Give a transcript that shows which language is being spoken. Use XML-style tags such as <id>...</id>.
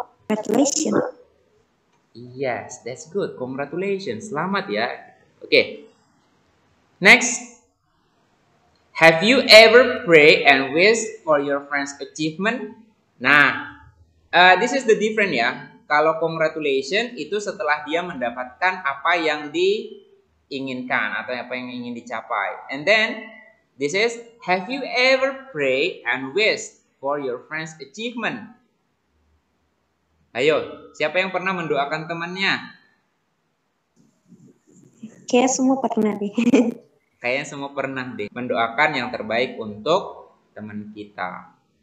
<en>Congratulations. Yes, that's good. Congratulations.</en> <id>Selamat ya.</id> <en>Okay. Next. Have you ever pray and wish for your friend's achievement? Nah, this is the different ya.</en> <id>Kalau congratulations itu setelah dia mendapatkan apa yang diinginkan atau apa yang ingin dicapai.</id> <en>And then, this is have you ever pray and wish for your friend's achievement?</en> <id>Ayo, siapa yang pernah mendoakan temannya? Kayak semua pernah deh. kayaknya semua pernah deh mendoakan yang terbaik untuk teman kita.</id>